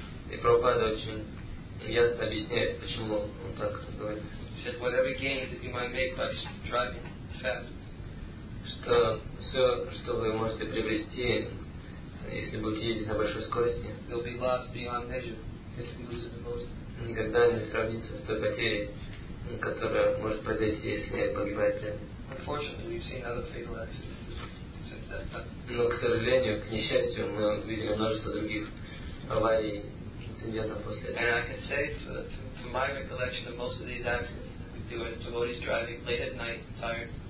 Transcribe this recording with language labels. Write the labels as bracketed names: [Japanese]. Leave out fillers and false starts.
[Russian] И Прабхупада очень ясно объясняет, почему он так говорит. [English] Said whatever gain that you might make by driving fast. [Russian] Что все, что вы можете приобрести, если будете ездить на большой скорости, [English] will be lost beyond measure if you lose the most. [Russian] Никогда не сравнится с той потерей, которая может произойти, если погибает преданный. [English] Unfortunately, we've seen other fatal accidents. [Russian] Но, к сожалению, к несчастью, мы видели множество других аварий, инцидентов после этого. [English] And I can say from my recollection of most of these accidents that we do with devotees driving late at night, tired.